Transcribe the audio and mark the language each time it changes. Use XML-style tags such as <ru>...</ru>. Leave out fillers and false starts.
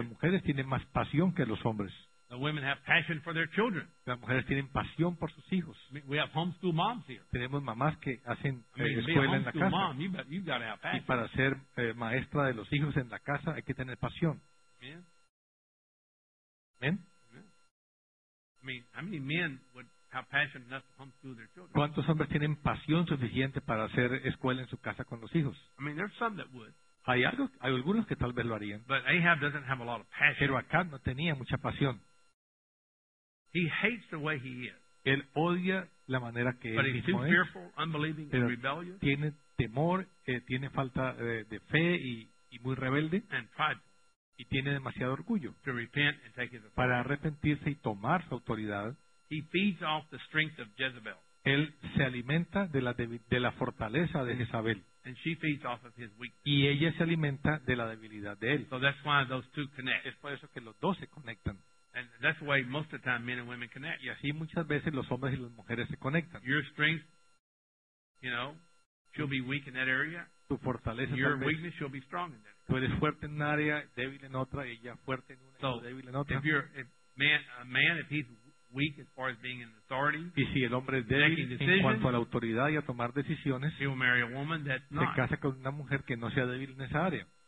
<es>Las mujeres tienen más pasión que los hombres.</es> <en>The women have passion for their children.</en> <es>Las mujeres tienen pasión por sus hijos.</es> <en>We have homeschool moms here.</en> <es>Tenemos mamás que hacen escuela en la casa.</es> <en>Mom, you've got to have passion.</en> <es>Y para ser maestra de los hijos en la casa hay que tener pasión.</es> <en>Men? I mean, how many men would have passion enough to homeschool their children?</en> <es>¿Cuántos hombres tienen pasión suficiente para hacer escuela en su casa con los hijos?</es> <en>I mean, there's some that would.</en> <es>Hay algunos que tal vez lo harían.</es> <en>But Ahab doesn't have a lot of passion.</en> <es>Pero Acab no tenía mucha pasión.</es> <en>He hates the way he is.</en> <es>Él odia la manera que</es> <en>but</en> <es>él mismo</es> <en>too</en> <es>es.</es> <en>Fearful, unbelieving,</en> <es>pero</es> <en>and rebellious.</en> <es>Tiene temor, tiene falta de fe y muy rebelde.</es> <en>And prideful.</en> <es>Y tiene demasiado orgullo.</es> <en>To repent and take his authority.</en> <es>Para arrepentirse y tomar su autoridad.</es> <en>He feeds off the strength of Jezebel.</en> <es>Él se alimenta de la fortaleza de Jezabel.</es> <en>And she feeds off of his weakness.</en> <es>Y ella se alimenta de la debilidad de él.</es> <en>So that's why those two connect.</en> <es>Es por eso que los dos se conectan.</es> <en>And that's why most of the time men and women connect.</en> <es>Y así muchas veces los hombres y las mujeres se conectan.</es> <en>Your strength, you know, she'll be weak in that area.</en> <es>Tu fortaleza.</es> <en>Your weakness, she'll be strong in that area.</en> <es>Tú eres fuerte en una área, débil en otra, y ella fuerte en una,</es> <en>so</en> <es>y débil en otra.</es> <en>So if a man, if he's weak as far as being in authority,</en> <es>y si el hombre es débil en cuanto a la autoridad y a tomar decisiones,</es> <en>he will marry a woman that's not.</en> <es>Se casa con una mujer que no sea débil en esa área.</es>